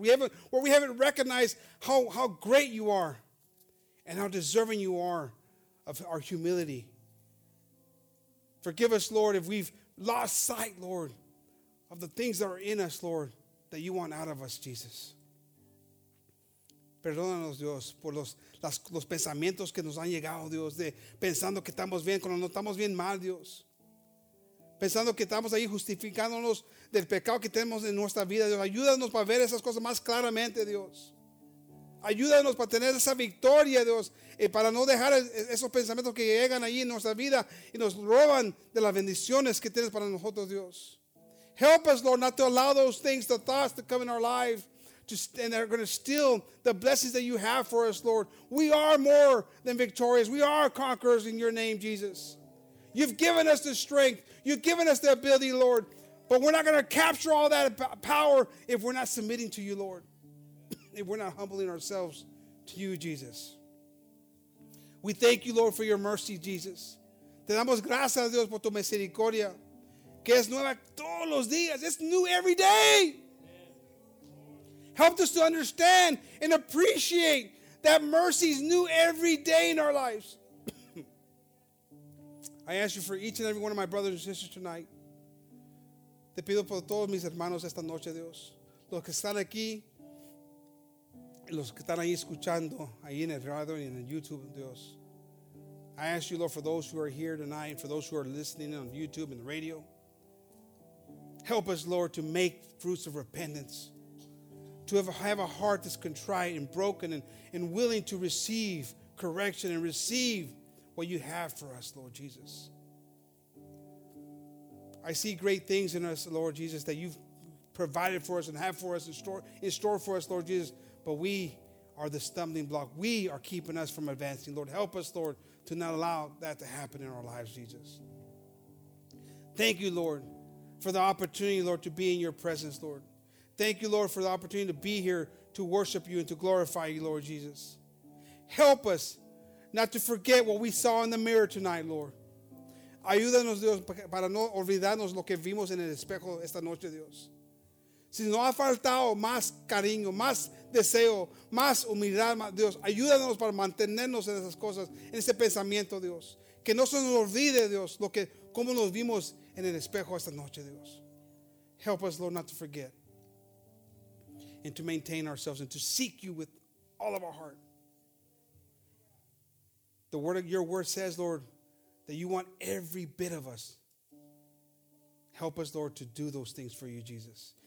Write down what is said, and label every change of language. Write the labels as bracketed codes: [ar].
[en] Where we haven't recognized how great you are and how deserving you are of our humility. Forgive us, Lord, if we've lost sight, Lord, of the things that are in us, Lord, that you want out of us, Jesus. [es] Perdónanos, Dios, por los pensamientos que nos han llegado, Dios, de pensando que estamos bien cuando no estamos bien mal, Dios. Pensando que estamos ahí justificándonos del pecado que tenemos en nuestra vida, Dios. Ayúdanos para ver esas cosas más claramente, Dios. Ayúdanos para tener esa victoria, Dios. Y para no dejar esos pensamientos que llegan ahí en nuestra vida y nos roban de las bendiciones que tienes para nosotros, Dios. [en] Help us, Lord, not to allow those things, the thoughts that come in our life, and they're going to steal the blessings that you have for us, Lord. We are more than victorious. We are conquerors in your name, Jesus. You've given us the strength. You've given us the ability, Lord. But we're not going to capture all that power if we're not submitting to you, Lord. If we're not humbling ourselves to you, Jesus. We thank you, Lord, for your mercy, Jesus. [es] Te damos gracias, Dios, por tu misericordia. Que es nueva todos los días. [en] It's new every day. Help us to understand and appreciate that mercy is new every day in our lives. I ask you for each and every one of my brothers and sisters tonight. [es] Te pido por todos mis hermanos esta noche, Dios. Los que están aquí, los que están ahí escuchando, ahí en el radio y en el YouTube, Dios. [en] I ask you, Lord, for those who are here tonight, for those who are listening on YouTube and the radio. Help us, Lord, to make fruits of repentance. To have a heart that's contrite and broken and willing to receive correction and receive what you have for us, Lord Jesus. I see great things in us, Lord Jesus, that you've provided for us and have for us in store for us, Lord Jesus. But we are the stumbling block. We are keeping us from advancing. Lord, help us, Lord, to not allow that to happen in our lives, Jesus. Thank you, Lord, for the opportunity, Lord, to be in your presence, Lord. Thank you, Lord, for the opportunity to be here to worship you and to glorify you, Lord Jesus. Help us not to forget what we saw in the mirror tonight, Lord. [es] Ayúdanos, Dios, para no olvidarnos lo que vimos en el espejo esta noche, Dios. Si nos ha faltado más cariño, más deseo, más humildad, Dios, ayúdanos para mantenernos en esas cosas, en ese pensamiento, Dios. Que no se nos olvide, Dios, lo que, cómo nos vimos en el espejo esta noche, Dios. [en] Help us, Lord, not to forget. And to maintain ourselves and to seek you with all of our heart. The word of your word says, Lord, that you want every bit of us. Help us, Lord, to do those things for you, Jesus.